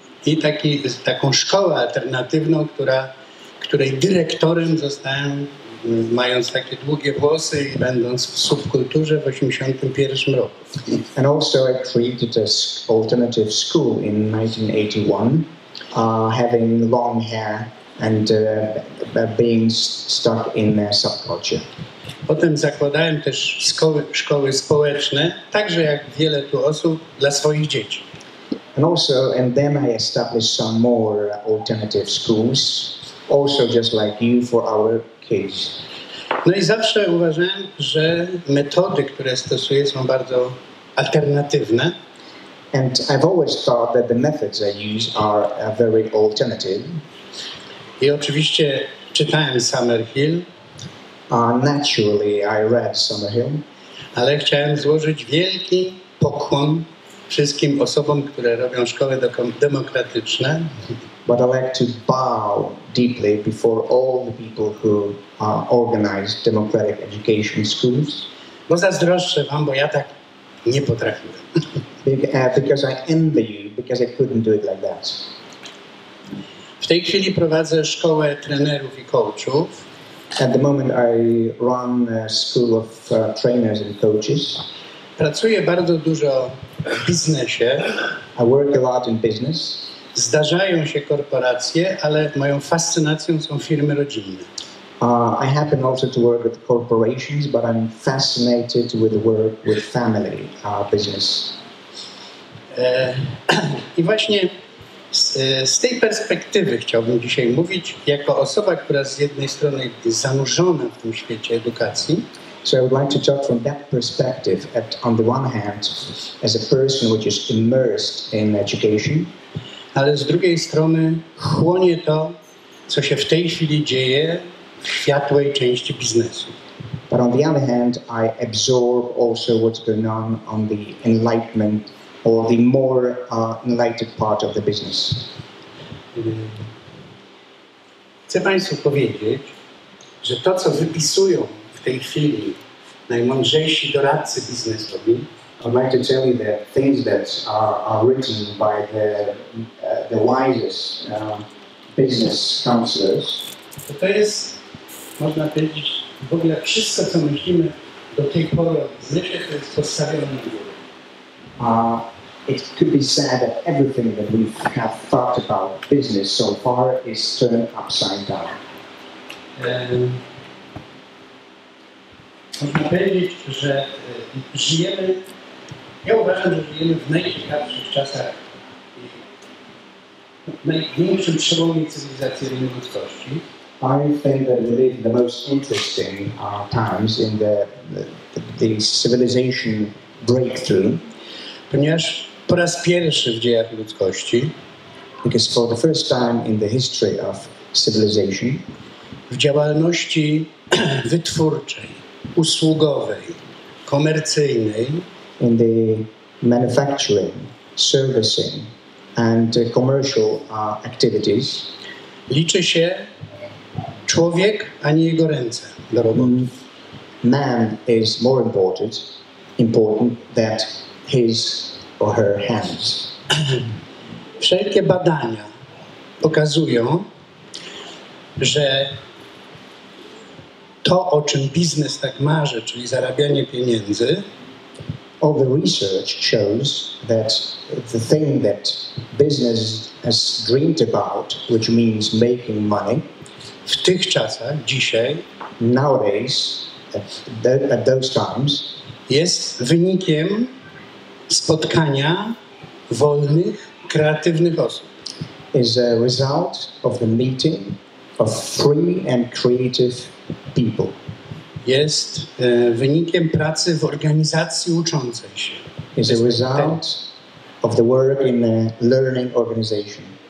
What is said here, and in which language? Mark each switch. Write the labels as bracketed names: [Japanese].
[Polish] I taką szkołę alternatywną, której dyrektorem zostałem, mając takie długie włosy i będąc w subkulturze w 81 roku. [English] And also I created an alternative school in 1981, having long hair and being stuck in a subculture. [Polish] Potem zakładałem też szkoły społeczne, także jak wiele tu osób, dla swoich dzieci. [English] And also, and then I established some more alternative schools, also just like you, for our kids. [Polish] No i zawsze uważałem, że metody, które stosuję, są bardzo alternatywne. [English] And I've always thought that the methods I use are very alternative. [Polish] I oczywiście czytałem Summerhill. [English] Naturally, I read Summerhill. [Polish] Ale chciałem złożyć wielki pokłon wszystkim osobom, które robią szkoły demokratyczne. [English] But I like to bow deeply before all the people who organize democratic education schools. [Polish] Bo zazdroszczę wam, bo ja tak nie potrafiłem. [English] Because I envy you, because I couldn't do it like that. [Polish] W tej chwili prowadzę szkołę trenerów i coachów. [English] At the moment I run a school of trainers and coaches. [Polish] Pracuję bardzo dużo w biznesie. [English] I work a lot in business. [Polish] Zdarzają się korporacje, ale moją fascynacją są firmy rodzinne. [English] I happen also to work with corporations, but I'm fascinated with work with family business. [Polish] I właśnie z tej perspektywy chciałbym dzisiaj mówić, jako osoba, która z jednej strony jest zanurzona w tym świecie edukacji. [English] So I would like to talk from that perspective, at, on the one hand, as a person which is immersed in education, [Polish] ale z drugiej strony chłonie to, co się w tej chwili dzieje w światłej części biznesu. [English] But on the other hand, I absorb also what's going on the enlightenment or the more enlightened part of the business. [Polish] Chcę Państwu powiedzieć, że to, co wypisują w tej chwili najmądrzejsi doradcy biznesowi, [English] I'd like to tell you that things that are written by the wisest business counselors. [Polish] To jest, można powiedzieć, w ogóle wszystko, co myślimy do tej pory o biznesie, to jest postawione na głowie. [English] It could be said that everything that we have thought about business so far is turned upside down. [Polish] Można powiedzieć, że żyjemy, ja uważam, że żyjemy w najciekawszych czasach, w największym przełomie cywilizacyjnym ludzkości. [English] I think that we live in the most interesting times in the civilization breakthrough. [Polish] Ponieważ po raz pierwszy w dziejach ludzkości, [English] because for the first time in the history of civilization, [Polish] w działalności wytwórczej, usługowej, komercyjnej, [English] in the manufacturing, servicing and commercial activities, [Polish] liczy się człowiek, a nie jego ręce do roboty. [English] Man is more important than his or her hands. [Polish] Wszelkie badania pokazują, że to, o czym biznes tak marzy, czyli zarabianie pieniędzy, [English] all the research shows that the thing that business has dreamed about, which means making money, [Polish] w tych czasach, dzisiaj, [English] nowadays, at those times, [Polish] jest wynikiem spotkania wolnych, kreatywnych osób. [English] Is a result of the meeting of free and creative people. [Polish] Jest wynikiem pracy w organizacji uczącej się. [English] Is a result of the work in a learning organization.